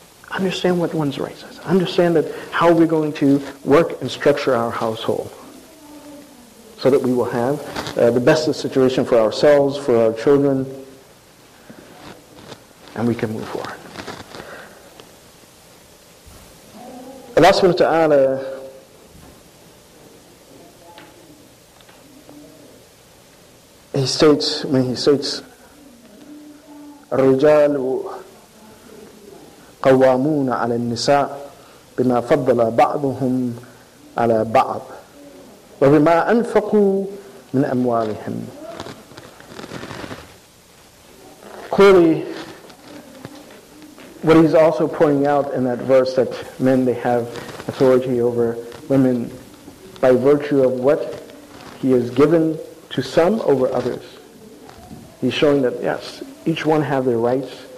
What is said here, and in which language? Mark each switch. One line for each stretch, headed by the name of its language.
English: Understand what one's rights is. Understand that how we're going to work and structure our household so that we will have the best situation for ourselves, for our children, and we can move forward. Allah subhanahu wa ta'ala he states
Arabic: الرجال قوامون على النساء بما فضل بعضهم على بعض وبما أنفقوا من أموالهم.
English: Clearly, what he's also pointing out in that verse, that men, they have authority over women by virtue of what he has given to some over others. He's showing that, yes, each one have their rights.